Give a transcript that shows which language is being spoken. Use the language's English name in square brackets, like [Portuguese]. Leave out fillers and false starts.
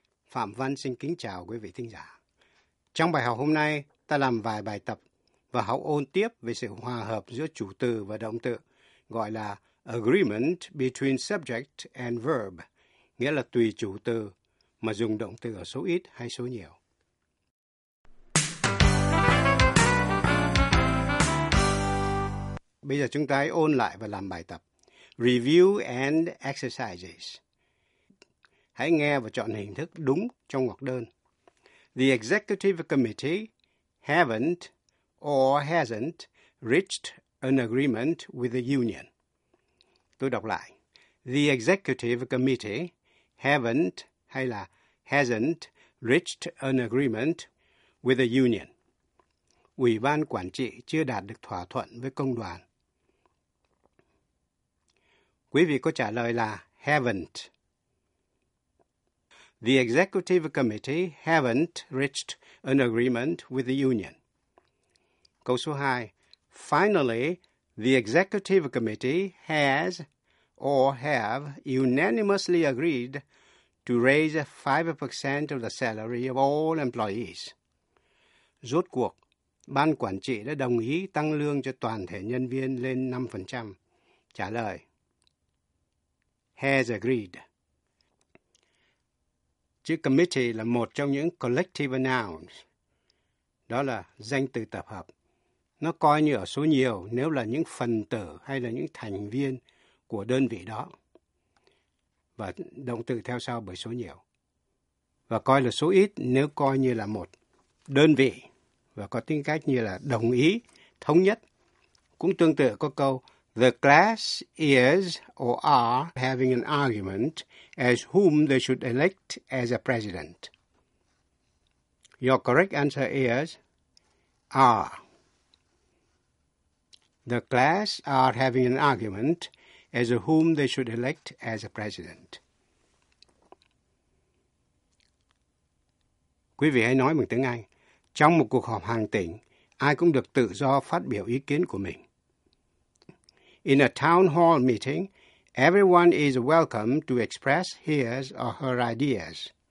[Vietnamese] Phạm Văn xin kính chào quý vị thính giả. Trong bài học hôm nay, ta làm vài bài tập và học ôn tiếp về sự hòa hợp giữa chủ từ và động từ, gọi là [English] agreement between subject and verb, [Vietnamese] nghĩa là tùy chủ từ mà dùng động từ ở số ít hay số nhiều. Bây giờ chúng ta hãy ôn lại và làm bài tập. [English] Review and exercises. [Vietnamese] Hãy nghe và chọn hình thức đúng trong ngoặc đơn. [English] The executive committee haven't or hasn't reached an agreement with the union. [Vietnamese] Tôi đọc lại. [English] The executive committee haven't [Vietnamese] hay là [English] hasn't reached an agreement with the union. [Vietnamese] Ủy ban quản trị chưa đạt được thỏa thuận với công đoàn. Quý vị có trả lời là haven't. [English] the executive committee haven't reached an agreement with the union. [Vietnamese] Câu số 2. [English] Finally, the executive committee has or have unanimously agreed to raise 5% of the salary of all employees. [Vietnamese] Rốt cuộc, ban quản trị đã đồng ý tăng lương cho toàn thể nhân viên lên 5%. Trả lời: [English] has agreed. [Vietnamese] Chữ committee là một trong những collective nouns, đó là danh từ tập hợp. Nó coi như ở số nhiều nếu là những phần tử hay là những thành viên của đơn vị đó. Và động từ theo sau bởi số nhiều. Và coi là số ít nếu coi như là một đơn vị và có tính cách như là đồng ý, thống nhất. Cũng tương tự có câu [English] the class is or are having an argument as whom they should elect as a president. Your correct answer is are. The class are having an argument as to whom they should elect as a president. [Vietnamese] Quý vị hãy nói bằng tiếng Anh. Trong một cuộc họp hàng tỉnh, ai cũng được tự do phát biểu ý kiến của mình. [English] In a town hall meeting, everyone is welcome to express his or her ideas.